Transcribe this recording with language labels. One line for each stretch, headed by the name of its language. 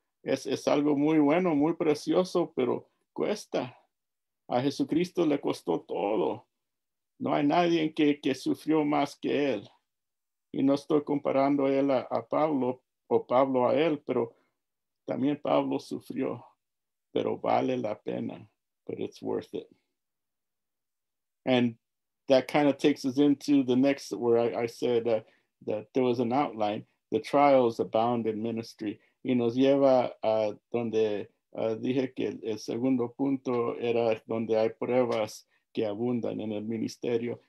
Spanish: Es algo muy bueno, muy precioso, pero cuesta. A Jesucristo le costó todo. No hay nadie que sufrió más que él. Y no estoy comparando él a Pablo o Pablo a él, pero también Pablo sufrió. Pero vale la pena.
English: But it's worth it. And that kind of takes us into the next, where I said that there was an outline. The trials abound in ministry.
Spanish: Y nos lleva a donde dije que el segundo punto era donde hay pruebas que abundan en el ministerio.